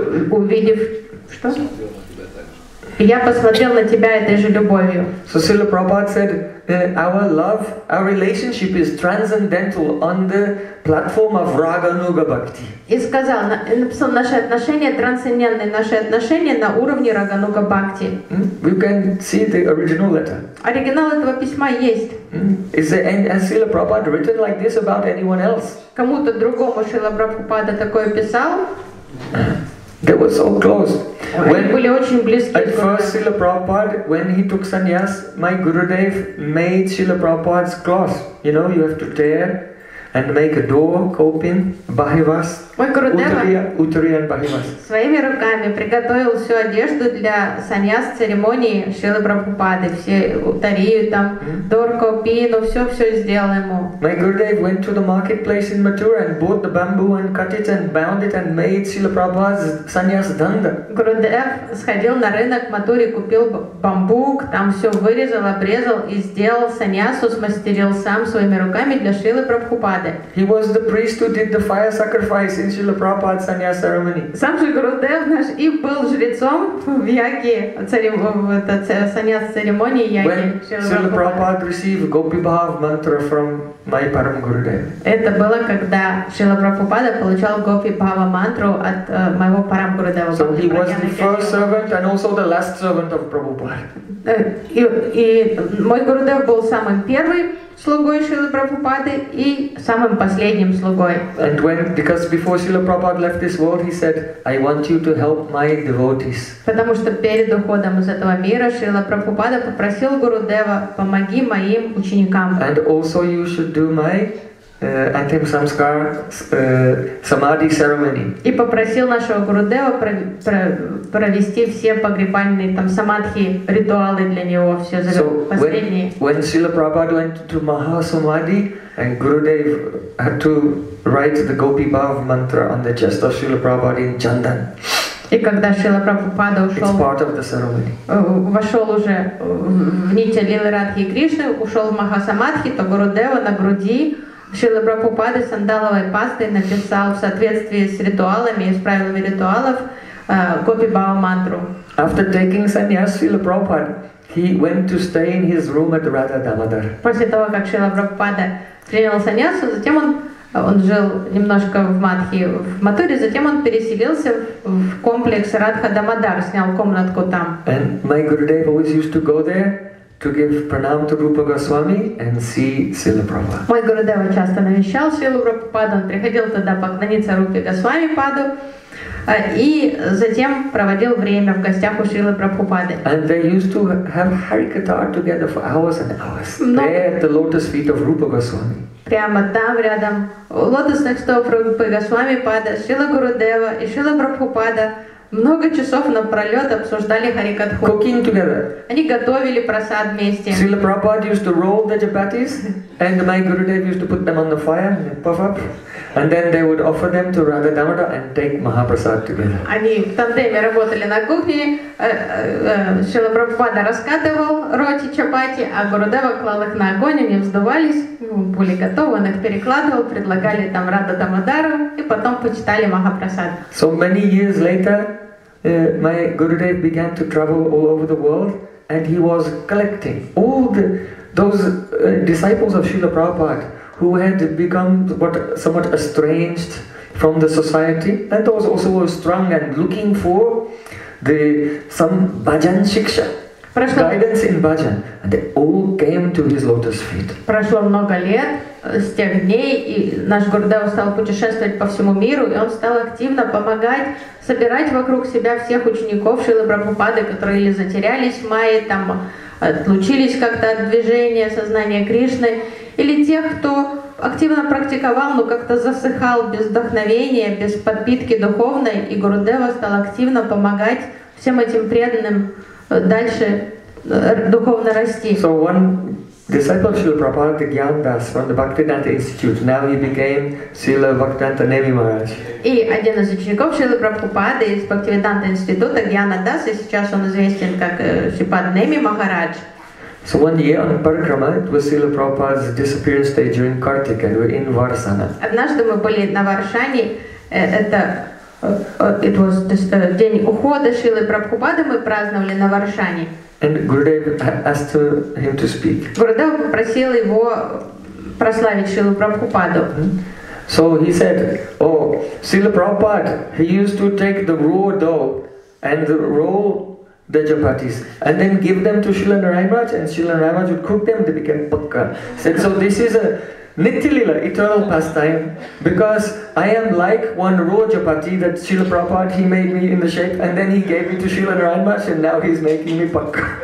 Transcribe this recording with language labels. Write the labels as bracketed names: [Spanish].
[Russian] Увидев что? И я посмотрел на тебя этой же любовью. [English] So Srila Prabhupada said, our love, our relationship is transcendental on the platform of Raga Nuga Bhakti. [Russian] И сказал, написал, наши отношения трансцендентные, наши отношения на уровне Raga Nuga Bhakti. [English] You can see the original letter. [Russian] Оригинал этого письма есть. [English] Has Srila Prabhupada written like this about anyone else? [Russian] Кому-то другому Шрила Прабхупада такое писал? [English] They were so close. When [Russian] были очень близки. [English] At first, Srila Prabhupada, when he took sannyas, my Gurudev made Srila Prabhupada's cloth. You know, you have to tear and make a door, coping, bahivas. [Russian] Мой Гурудев утри и бахивас. Своими руками приготовил всю одежду для саньяс церемонии Шрилы Прабхупады. Все утарию там, дор, копину, все сделал ему. [English] My Gurudev went to the marketplace in Mathura and bought the bamboo and cut it and bound it and made Srila Prabhupada's sannyas danda. [Russian] Гурудев сходил на рынок в Матуре, купил бамбук, там все вырезал, обрезал и сделал саньясу, смастерил сам своими руками для Шрилы Прабхупады. [English] He was the priest who did the fire sacrifice in Srila Prabhupada's sannyas ceremony. [Russian] Сам же Гурудев наш и был жрецом в Яге, саньяс церемонии Яги. [English] When Srila Prabhupada received Gopi Bhav mantra from my Param Gurudev. [Russian] Это было, когда Шрила Прабхупада получал Гопи Бхава мантру от моего Param Gurudeva. [English] So he was the first servant and also the last servant of Prabhupada. [Russian] И мой Гурудев был самым первым слугой Шрилы Прабхупады и самым последним слугой. [English] And when, because before Srila Prabhupada left this world, he said, I want you to help my devotees. [Russian] Потому что перед уходом из этого мира Шрила Прабхупада попросил Гурудева, помоги моим ученикам. [English] And also you should do my Antim Samskara Samadhi ceremony. [Russian] И попросил нашего Гурудева провести все погребальные там самадхи ритуалы для него, все за последние. [English] So when Srila Prabhupada went to Maha Samadhi and Gurudev had to write the Gopi Bhav mantra on the chest of Srila Prabhupada in Chandan. [Russian] И когда Шрила Прабхупада ушел, вошел уже в нити Лилы Радхи Кришны, ушел в Маха Самадхи, то Гурудева на груди Шрила Прабхупада сандаловой пастой написал в соответствии с ритуалами и с правилами ритуалов Гопи Бхава мантру. [English] After taking sannyas, Srila Prabhupada, he went to stay in his room at Radha Damodar. [Russian] После того, как Шрила Прабхупада принял саньясу, затем он жил немножко в Мадхи, в Матуре, затем он переселился в комплекс Радха Дамодар, снял комнатку там. [English] And my Gurudev always used to go there to give pranam to Rupa Goswami and see Srila Prabhupada. [Russian] Мой Гурудева часто навещал Шрилу Прабхупаду, он приходил тогда поклониться Рупе Госвами Паду и затем проводил время в гостях у Шрилы Прабхупады. [English] And they used to have Harikatha together for hours and hours. There at the lotus feet of Rupa Goswami. [Russian] Прямо там, рядом у лотосных стоп Рупы Госвами Пада, Шрила Гурудева и Шрила Прабхупада много часов напролет обсуждали харикатху. [English] Cooking together. [Russian] Они готовили просад вместе. [English] Srila Prabhupada used to roll the chapatis, and my Gurudev used to put them on the fire and puff up, and then they would offer them to Radha Damodar and take Mahaprasad together. [Russian] Они в тандеме работали на кухне. Шрила Прабхупада раскатывал роти чапати, а Гурудева клал их на огонь, они вздувались, были готовы, он их перекладывал, предлагали там Радха Дамодару и потом почитали Махапрасад. [English] So many years later, my Gurudev began to travel all over the world and he was collecting all those disciples of Srila Prabhupada who had become somewhat estranged from the society and those also were strong and looking for some bhajan shiksha, guidance in bhajan, and they all came to his lotus feet. [Russian] Прошло много лет с тех дней, и наш Гурудев стал путешествовать по всему миру, и он стал активно помогать собирать вокруг себя всех учеников Шрилы Прабхупады, которые или затерялись в Майе, там отлучились как-то от движения сознания Кришны, или тех, кто активно практиковал, но как-то засыхал без вдохновения, без подпитки духовной, и Гурудева стал активно помогать всем этим преданным дальше духовно расти. [English] So one disciple Srila Prabhupada Gyandas from the Bhaktivedanta Institute, now he became Srila Bhaktivedanta Nemi Maharaj. [Russian] И один из учеников Шрилы Прабхупады из Бхактивиданта Института Гьянадас, и сейчас он известен как Шипад Неми Махарадж. [English] So one year on Parikrama, it was Srila Prabhupada's disappearance day during Kartik, and we're in Varsana. [Russian] Однажды мы были на Варшане, это [English] it was [Russian] день ухода Шрилы Прабхупады, мы праздновали на Варшане. [English] And Gurudev asked him to speak. [Russian] Gurudev попросил его прославить Шрилу Прабхупаду. [English] So he said, "Oh, Srila Prabhupada, he used to take the raw dough and roll the chapatis, and then give them to Srila Narayan Raj, and Srila Narayan Raj would cook them. They became pukka." Said, "So this is a nitya lila, eternal pastime, because I am like one raw chapati that Srila Prabhupada he made me in the shape, and then he gave me to Srila Narayan Raj, and now he's making me pukka."